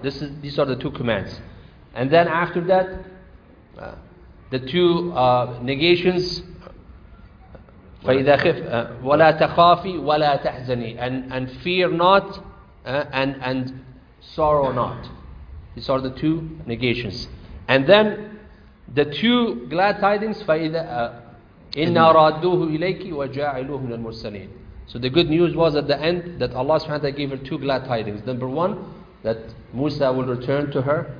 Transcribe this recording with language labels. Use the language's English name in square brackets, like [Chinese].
[English] These are the two commands. And then after that, the two negations, [Arabic] فَإِذَا خِفْ وَلَا تَخَافِي وَلَا تَحْزَنِي, [English] and fear not and sorrow not. These are the two negations. And then the two glad tidings, [Arabic] فَإِذَا إِنَّا رَادُّوهُ إِلَيْكِ وَجَاعِلُوهُ مِنَ الْمُرْسَلِينَ. [English] So the good news was at the end that Allah subhanahu wa ta'ala gave her two glad tidings. Number one, that Musa will return to her.